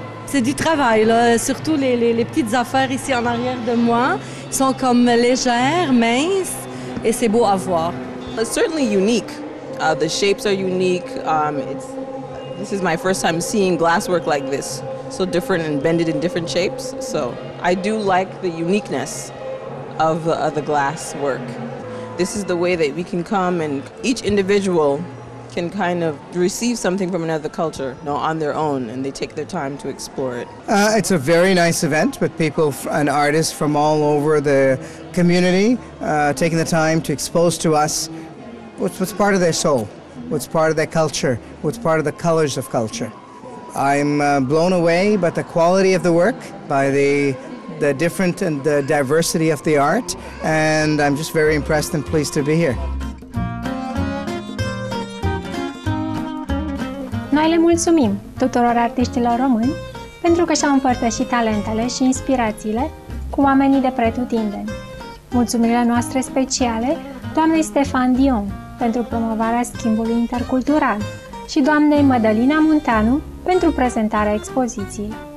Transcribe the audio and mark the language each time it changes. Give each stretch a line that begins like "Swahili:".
French: C'est du travail, là. Surtout les petites affaires ici en arrière de moi sont comme légères, minces, et c'est beau à voir.
English: It's certainly unique. The shapes are unique. This is my first time seeing glasswork like this. So different and bended in different shapes. So I do like the uniqueness of the glass work. This is the way that we can come and each individual can kind of receive something from another culture, you know, on their own, and they take their time to explore it. It's a very nice event with people and artists from all over the community taking the time to expose to us what's part of their soul, what's part of their culture, what's part of the colors of culture. I'm blown away by the quality of the work, by the different and the diversity of the art, and I'm just very impressed and pleased to be here.
Romanian: Noi le mulțumim tuturor artiștilor români pentru că și-au împărtășit talentele și inspirațiile cu oamenii de pretutindeni. Mulțumirile noastre speciale doamnei Stefan Dion pentru promovarea schimbului intercultural și doamnei Madalina Munteanu pentru prezentarea expoziției.